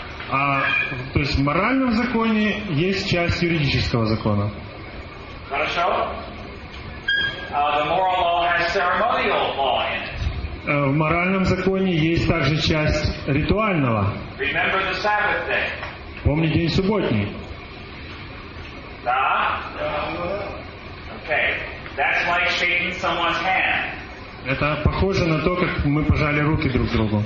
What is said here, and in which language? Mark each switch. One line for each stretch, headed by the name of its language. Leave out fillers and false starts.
Russian: А, то есть в моральном законе есть часть юридического закона. Хорошо.
English: The moral law has ceremonial law in it.
Russian: В моральном законе есть также часть ритуального.
English: Remember the Sabbath day.
Russian: Помни день субботний.
English: Да. Okay. That's like shaking someone's hand.
Russian: Это похоже на то, как мы пожали руки друг другу.